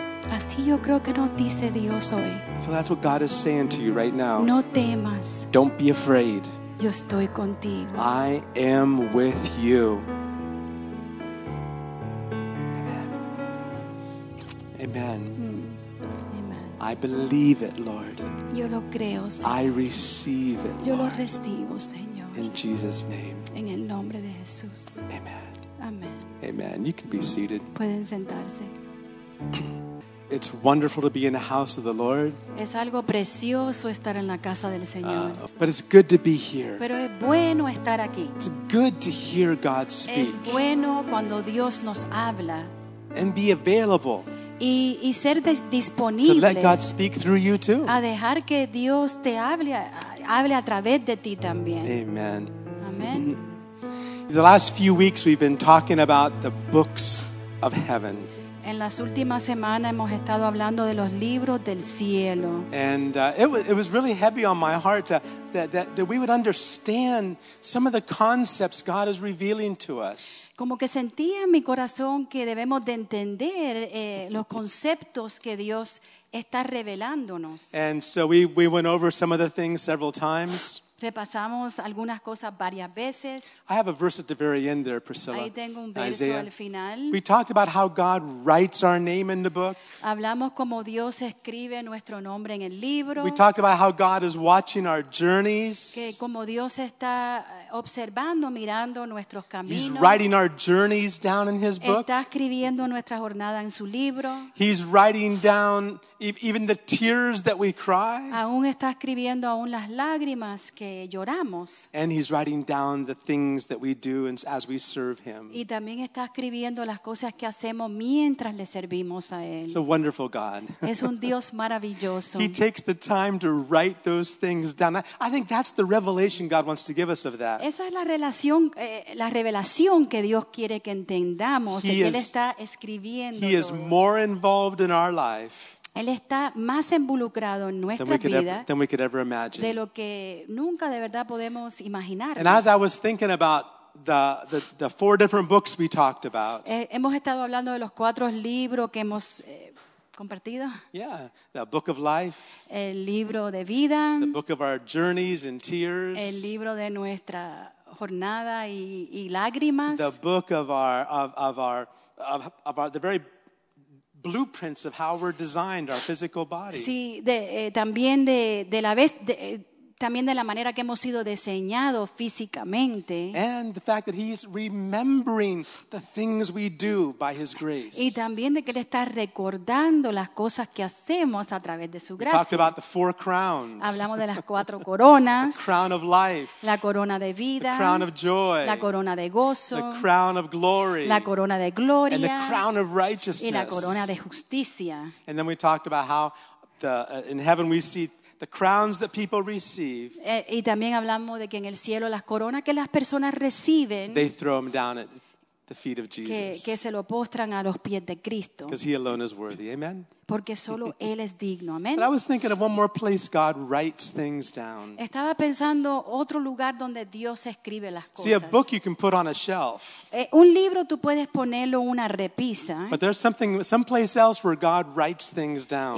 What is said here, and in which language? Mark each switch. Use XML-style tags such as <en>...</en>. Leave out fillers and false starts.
<es>Así yo creo que nos dice Dios hoy.</es> <en>So that's what God is saying to you right now.</en> <es>No temas.</es> <en>Don't be afraid.</en> <es>Yo estoy contigo.</es> <en>I am with you. Amen. I believe it, Lord.</en> <es>Yo lo creo, Señor.</es> <en>I receive it,</en> <es>yo</es> <en>Lord.</en> <es>Yo lo recibo, Señor.</es> <en>In Jesus' name.</en> <es>En el nombre de Jesús.</es> <en>Amen.</en> <es>Amen.</es> <en>Amen. You can be seated.</en> <es>Pueden sentarse.</es> <en>It's wonderful to be in the house of the Lord.</en> <es>Es algo precioso estar en la casa del Señor.</es> <en>But it's good to be here.</en> <es>Pero es bueno estar aquí.</es> <en>It's good to hear God speak.</en> <es>Es bueno cuando Dios nos habla.</es> <en>And be available.</en> <es>Y ser disponibles</es> <en>to let God speak through you too.</en> <es>A dejar que Dios te hable a través de ti también.</es> <en>Amen.</en> <es>Amen.</es> <en>The last few weeks we've been talking about the books of heaven.</en> <es>En las últimas semanas hemos estado hablando de los libros del cielo.</es> <en>And it was really heavy on my heart that we would understand some of the concepts God is revealing to us.</en> <es>Como que sentía en mi corazón que debemos de entender los conceptos que Dios está revelándonos.</es> <en>And so we went over some of the things several times.</en> <es>Repasamos algunas cosas varias veces.</es> <en>I have a verse at the very end there, Priscilla.</en> <es>Ahí tengo un verso Isaiah. Al final.</es> <en>We talked about how God writes our name in the book.</en> <es>Hablamos como Dios escribe nuestro nombre en el libro.</es> <en>We talked about how God is watching our journeys.</en> <es>Que como Dios está observando, mirando nuestros caminos.</es> <en>He's writing our journeys down in his book.</en> <es>Está escribiendo nuestra jornada en su libro.</es> <en>He's writing down even the tears that we cry.</en> <es>Aún está escribiendo aún las lágrimas que lloramos.</es> <en>And he's writing down the things that we do as we serve him.</en> <es>Y también está escribiendo las cosas que hacemos mientras le servimos a él.</es> <en>It's a wonderful God.</en> <es>Es un Dios maravilloso.</es> <en>He takes the time to write those things down. I think that's the revelation God wants to give us of that.</en> <es>Esa es la revelación que Dios quiere que entendamos de que él está escribiendo.</es> <en>He is more involved in our life.</en> <es>Él está más involucrado en nuestra vida de lo que nunca de verdad podemos imaginar.</es> <en>And as I was thinking about the four different books we talked about.</en> <es>Hemos estado hablando de los cuatro libros que hemos compartido.</es> <en>Yeah, the book of life.</en> <es>El libro de vida.</es> <en>The book of our journeys and tears.</en> <es>El libro de nuestra jornada y lágrimas.</es> <en>The book of our the very blueprints of how we're designed, our physical body.</en> <es>Sí, también de la manera que hemos sido diseñados físicamente.</es> <en>And the fact that he's remembering the things we do by his grace.</en> <es>Y también de que él está recordando las cosas que hacemos a través de su gracia.</es> <en>We talked about the four crowns.</en> <es>Hablamos de las cuatro coronas.</es> <en>The crown of life.</en> <es>La corona de vida.</es> <en>The crown of joy.</en> <es>La corona de gozo.</es> <en>The crown of glory.</en> <es>La corona de gloria.</es> <en>And the crown of righteousness.</en> <es>Y la corona de justicia.</es> <en>And then we talked about how in heaven we see the crowns that people receive.</en> <es>Y también hablamos de que en el cielo las coronas que las personas reciben.</es> <en>They throw them down at the feet of Jesus.</en> <es>Que se lo postran a los pies de Cristo.</es> <en>Because he alone is worthy. Amen.</en> <es>Porque solo él es digno. Amen.</es> <en>But I was thinking of one more place God writes things down.</en> <es>Estaba pensando otro lugar donde Dios escribe las cosas.</es> <en>See, a book you can put on a shelf.</en> <es>Un libro tú puedes ponerlo en una repisa.</es> <en>But there's something, someplace else where God writes things down.</en>